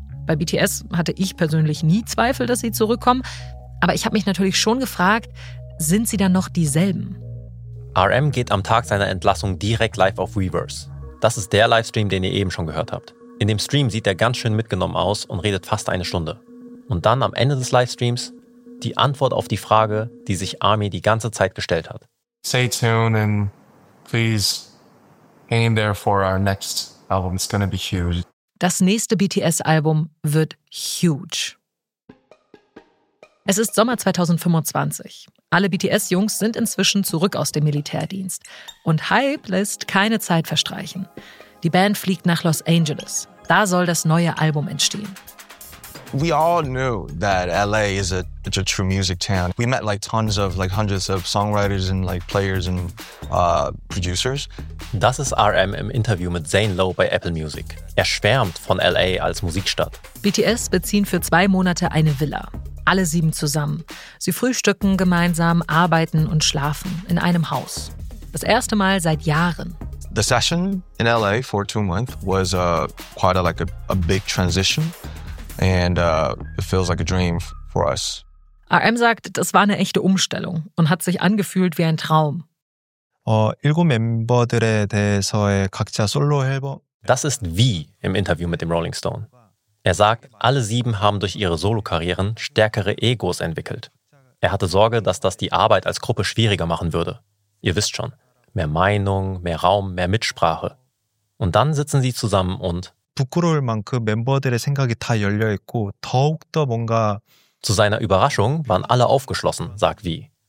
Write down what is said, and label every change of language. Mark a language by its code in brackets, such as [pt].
[de] Bei BTS hatte ich persönlich nie Zweifel, dass sie zurückkommen. Aber ich habe mich natürlich schon gefragt, sind sie dann noch dieselben? RM geht am Tag seiner Entlassung direkt live auf Weverse. Das ist der Livestream, den ihr eben schon gehört habt. In dem Stream sieht er ganz schön mitgenommen aus und redet fast eine Stunde. Und dann am Ende des Livestreams die Antwort auf die Frage, die sich ARMY die ganze Zeit gestellt hat. [en] Stay tuned and please hang in there for our next album. It's gonna be huge. [de] Das nächste BTS-Album wird huge. Es ist Sommer 2025. Alle BTS-Jungs sind inzwischen zurück aus dem Militärdienst. Und Hype lässt keine Zeit verstreichen. Die Band fliegt nach Los Angeles. Da soll das neue Album entstehen. [en] We all knew that LA is it's a true music town. We met like tons of like hundreds of songwriters and like players and producers. [de] Das ist RM im Interview mit Zane Lowe bei Apple Music. Er schwärmt von LA als Musikstadt. BTS beziehen für 2 Monate eine Villa. Alle 7 zusammen. Sie frühstücken gemeinsam, arbeiten und schlafen in einem Haus. Das erste Mal seit Jahren. [en] The session in LA for 2 months was quite a big transition. And it feels like a dream for us. [de] RM sagt, das war eine echte Umstellung und hat sich angefühlt wie ein Traum. [ko] 7 멤버들에 대해서의 각자 솔로 앨범. [de] Das ist wie im Interview mit dem Rolling Stone. Er sagt, alle 7 haben durch ihre Solokarrieren stärkere Egos entwickelt. Er hatte Sorge, dass das die Arbeit als Gruppe schwieriger machen würde. Ihr wisst schon, mehr Meinung, mehr Raum, mehr Mitsprache. Und dann sitzen sie zusammen und zu seiner Überraschung waren alle aufgeschlossen, sagt Vi.